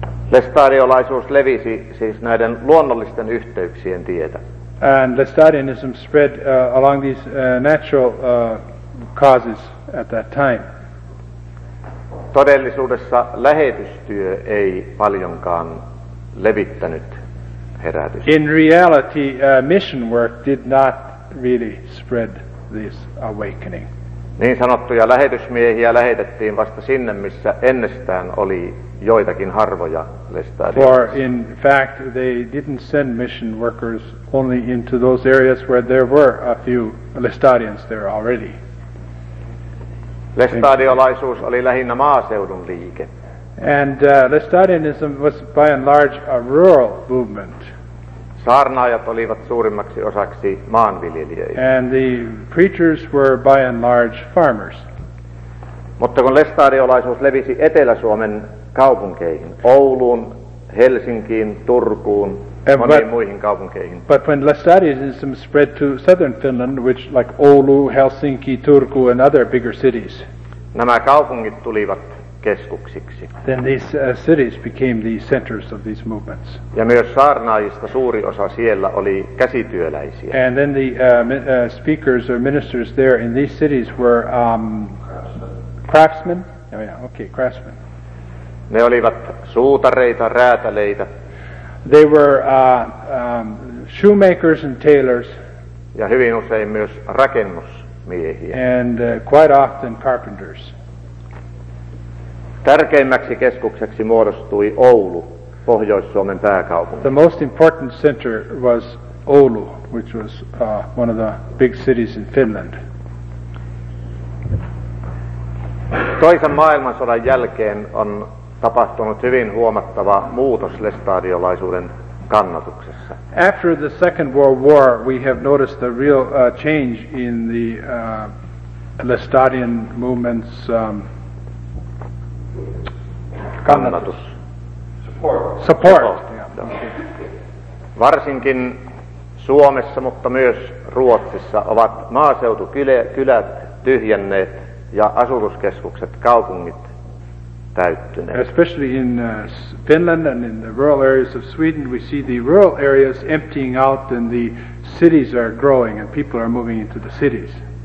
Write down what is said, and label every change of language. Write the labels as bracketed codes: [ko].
[fi] Lestadiolaisuus levisi siis näiden luonnollisten yhteyksien tietä. [en] And Lestadianism spread along these natural causes at that time. [fi] Todellisuudessa lähetystyö ei paljonkaan levittänyt herätystä. [en] In reality, mission work did not really spread this awakening. [fi] Niin sanottuja lähetysmiehiä lähetettiin vasta sinne, missä ennestään oli joitakin harvoja lestadiolaisia. [en] For in fact, they didn't send mission workers only into those areas where there were a few Lestadians there already. [fi] Lestadiolaisuus oli lähinnä maaseudun liike. [en] And Lestadianism was by and large a rural movement. [fi] Saarnaajat olivat suurimmaksi osaksi maanviljelijöitä. [en] And the preachers were by and large farmers. [fi] Mutta kun lestadiolaisuus levisi Etelä-Suomen kaupunkeihin, Ouluun, Helsinkiin, Turkuun, moniin muihin kaupunkeihin. [en] But when Lestadianism spread to southern Finland, which like Oulu, Helsinki, Turku and other bigger cities, [fi] nämä kaupungit tulivat keskuksiksi. [en] Then these cities became the centers of these movements. [fi] Ja myös saarnaajista suuri osa siellä oli käsityöläisiä. [en] And then the speakers or ministers there in these cities were craftsmen. Craftsmen. [fi] Ne olivat suutareita, räätäleitä. [en] They were shoemakers and tailors. [fi] Ja hyvin usein myös rakennusmiehiä. [en] And quite often carpenters. [fi] Tärkeimmäksi keskukseksi muodostui Oulu, Pohjois-Suomen pääkaupunki. [en] The most important center was Oulu, which was one of the big cities in Finland. [fi] Toisen maailmansodan jälkeen on tapahtunut hyvin huomattava muutos lestadiolaisuuden kannatuksessa. [en] After the Second World War, we have noticed a real change in the Lestadian movement's [fi] kannatus. [en] Support. Yeah. [fi] Varsinkin Suomessa, mutta myös Ruotsissa ovat maaseutukylät tyhjenneet ja asutuskeskukset, kaupungit täyttyneet. [en] Especially in Finland and in the rural areas of Sweden, we see the rural areas emptying out and the cities are growing and people are moving into the cities.